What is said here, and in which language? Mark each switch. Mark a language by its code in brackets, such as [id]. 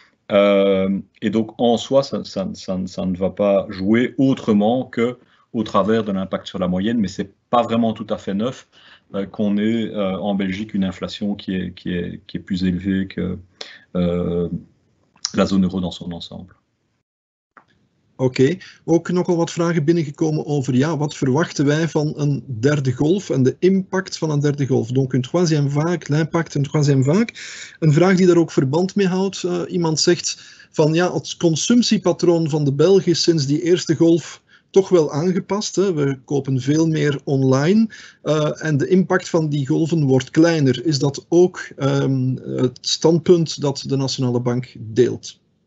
[fr] Et donc, en soi, ça ne va pas jouer autrement qu'au travers de l'impact sur la moyenne, mais ce n'est pas vraiment tout à fait neuf qu'on ait en Belgique une inflation qui est plus élevée que la zone euro dans son ensemble. [nl] Ok, ook nog al wat vragen binnengekomen over ja, wat verwachten wij van een derde golf en de impact van een derde golf? [fr] Donc une troisième vague, l'impact d'une troisième vague. [nl] Een vraag die daar ook verband mee houdt. Iemand zegt van ja, het consumptiepatroon van de Belgen is sinds die eerste golf toch wel aangepast. Hè? We kopen veel meer online en de impact van die golven wordt kleiner. Is dat ook het standpunt dat de Nationale Bank deelt?